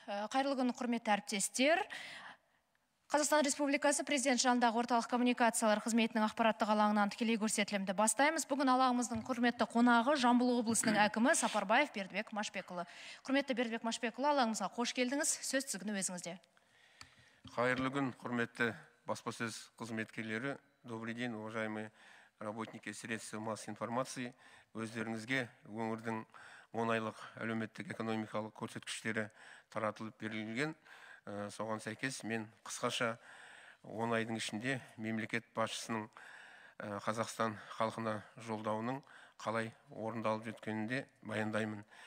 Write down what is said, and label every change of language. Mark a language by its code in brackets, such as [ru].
[kk] Қайырлы күн, құрметті әріптестер. Қазақстан Республикасы президент жанындағы орталық коммуникациялар қызметінің ақпараттық алаңынан тікелей көрсетілімді бастаймыз. Бүгін алаңымыздың құрметті қонағы Жамбыл облысының әкімі Сапарбаев Бердібек Машбекұлы. Құрметті Бердібек Машбекұлы, алаңымызға қош келдіңіз. Сөз тізгіні өзіңізде. Қайырлы күн, құрметті баспасөз қызметкерлері. [ru] Добрый день, уважаемые работники средств массовой информации. [kk] Өздеріңізге өңірдің он айлық әлеуметтік экономикалық көрсеткіштері таратылып берілген. Соған сәйкес мен қысқаша он айдың ішінде мемлекет басшысының Қазақстан халқына жолдауының қалай орындалып жеткенінде баяндаймын.